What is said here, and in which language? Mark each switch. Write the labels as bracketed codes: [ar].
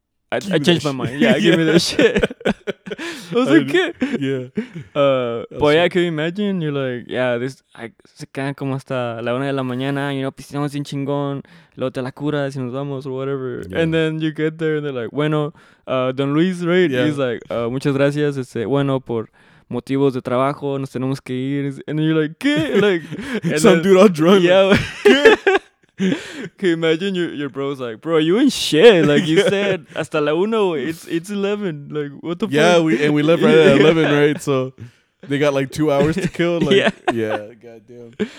[en] I changed my mind. Yeah, give me that shit. I was like, yeah. But yeah, can you imagine? You're like, yeah, this, [es] se quedan como hasta la una de la mañana, [en] you know, [es] pisteamos sin chingón, luego te la curas y nos vamos, [en] or whatever. Yeah. And then you get there and they're like, [es] bueno, [en] Don Luis, right? Yeah. He's like, [es] muchas gracias, bueno, por motivos de trabajo, nos tenemos que ir. [en] And then you're like, ¿qué? Like, some dude all drunk. Yeah. Like, can you imagine your bro's like, bro, you in shit. Like, you said, [es] hasta la uno, [en] it's 11. Like, what the fuck? Yeah, we left right at 11, right? So they got like 2 hours to kill. Like, yeah, goddamn.